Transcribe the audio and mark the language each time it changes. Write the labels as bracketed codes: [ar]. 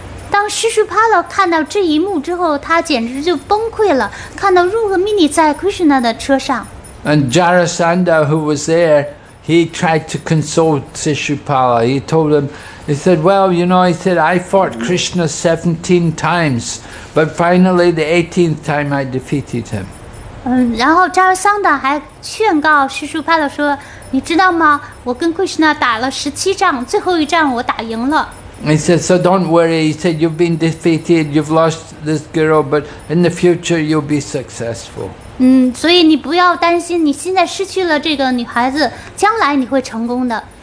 [zh] 当Sishupala看到这一幕之后， 他简直就崩溃了， 看到Rukmini在Krishna的车上。 [en] And Jarasandha, who was there, he tried to console Sishupala. He told him, he said, well, you know, he said, I fought Krishna 17 times, but finally the 18th time I defeated him. [zh] 然后扎尔桑达还劝告西舒帕拉说， 你知道吗？我跟Krishna打了17仗， 最后一仗我打赢了。 [en] He said, so don't worry. He said, you've been defeated, you've lost this girl, but in the future you'll be successful. [zh] 所以你不要担心， 你现在失去了这个女孩子， 将来你会成功的。